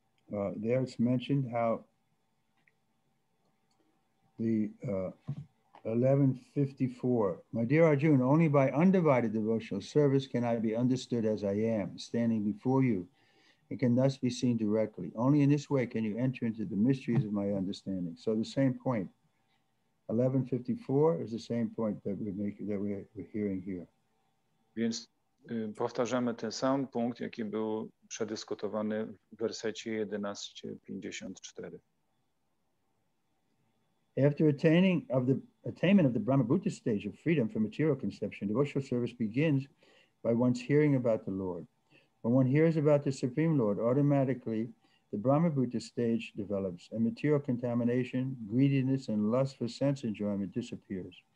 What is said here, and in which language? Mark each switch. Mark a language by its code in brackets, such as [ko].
[en] There it's mentioned how the 1154, my dear Arjuna, only by undivided devotional service can I be understood as I am, standing before you, and can thus be seen directly. Only in this way can you enter into the mysteries of my understanding. So the same point, 1154 is the same point that we're hearing here. [pl] Więc powtarzamy ten sam punkt, jaki był przedyskutowany w wersecie 1154. [en] After attainment of the Brahma-Buddha stage of freedom from material conception, devotional service begins by one's hearing about the Lord. When one hears about the Supreme Lord, automatically the Brahma-Buddha stage develops and material contamination, greediness, and lust for sense enjoyment disappears.